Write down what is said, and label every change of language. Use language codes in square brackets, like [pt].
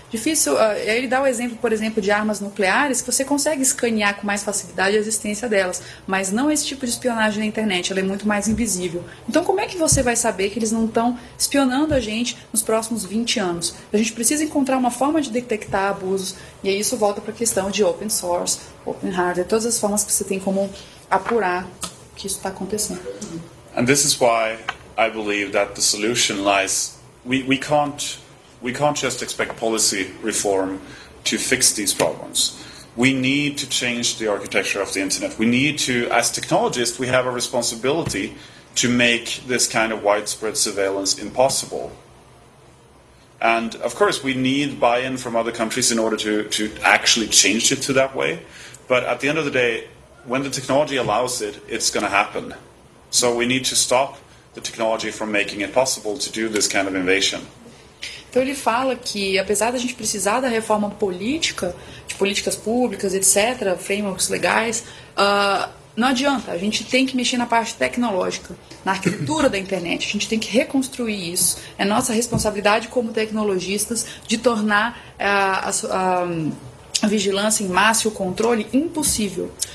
[pt] Difícil, ele dá o exemplo, por exemplo, de armas nucleares, que você consegue escanear com mais facilidade a existência delas, mas não esse tipo de espionagem na internet, ela é muito mais invisível. Então, como é que você vai saber que eles não estão espionando a gente nos próximos 20 anos? A gente precisa encontrar uma forma de detectar abusos, e aí isso volta para a questão de open source, open hardware, todas as formas que você tem como apurar que isso está acontecendo. [en] And this is why I believe that the solution lies, we can't just expect policy reform to fix these problems. We need to change the architecture of the internet. We need to, as technologists, we have a responsibility to make this kind of widespread surveillance impossible. And, of course, we need buy-in from other countries in order to actually change it to that way. But at the end of the day, when the technology allows it, it's going to happen. So we need to stop the technology from making it possible to do this kind of invasion. [pt] Então ele fala que, apesar da gente precisar da reforma política, de políticas públicas, etc., frameworks legais, não adianta, a gente tem que mexer na parte tecnológica, na arquitetura da internet, a gente tem que reconstruir isso. É nossa responsabilidade como tecnologistas de tornar a vigilância em massa e o controle impossível.